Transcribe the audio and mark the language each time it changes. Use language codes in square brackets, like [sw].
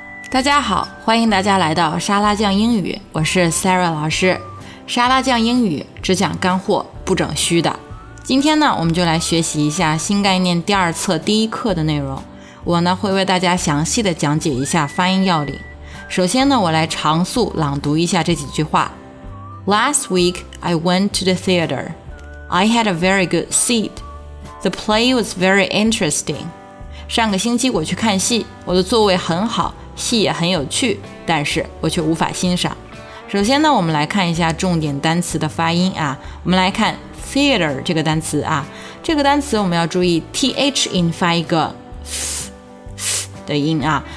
[zh] 大家好，欢迎大家来到沙拉酱英语，我是 Sarah 老师。沙拉酱英语只讲干货，不整虚的。今天呢，我们就来学习一下新概念第二册第一课的内容。我呢会为大家详细的讲解一下发音要领。首先呢，我来长速朗读一下这几句话。 [en] Last week I went to the theater. I had a very good seat. The play was very interesting. [zh] 上个星期我去看戏，我的座位很好，戏也很有趣，但是我却无法欣赏。首先呢，我们来看一下重点单词的发音啊。我们来看 theater 这个单词啊，这个单词我们要注意 th 音发一个 th 的音啊。